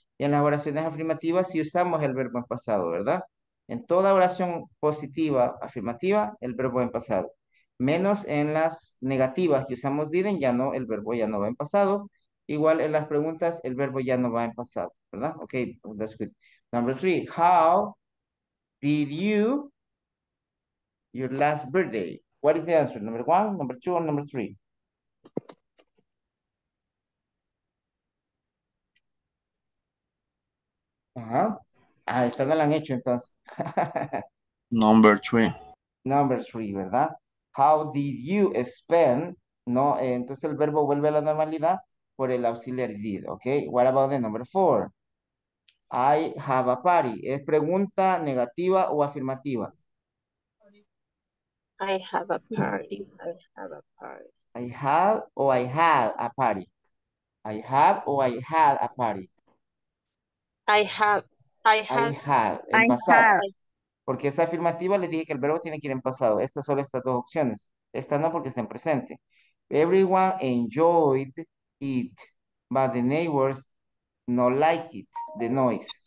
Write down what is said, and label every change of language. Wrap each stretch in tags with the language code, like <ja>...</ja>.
<es>Y en las oraciones afirmativas sí usamos el verbo en pasado, ¿verdad? En toda oración positiva, afirmativa, el verbo en pasado. Menos en las negativas que usamos didn't, ya no, el verbo ya no va en pasado. Igual en las preguntas, el verbo ya no va en pasado, ¿verdad?</es> <en>Ok, that's good. Number three, how did you, your last birthday? What is the answer? Number one, number two, or number three?</en> <es>Uh-huh. Ah, esta no la han hecho entonces.</es> <en>Number three. Number three,</en> <es>¿verdad?</es> <en>How did you spend?</en> <es>No, entonces el verbo vuelve a la normalidad por el auxiliary did, ¿ok?</es> <en>What about the number four? I have a party.</en> <es>¿Es pregunta negativa o afirmativa?</es> <en>I have a party. I have a party. I have o I had a party. I have o I had a party. I have.</en> <es>En pasado. Porque esa afirmativa le dije que el verbo tiene que ir en pasado. Estas son estas dos opciones. Esta no porque está en presente.</es> <en>Everyone enjoyed it, but the neighbors no like it, the noise.</en>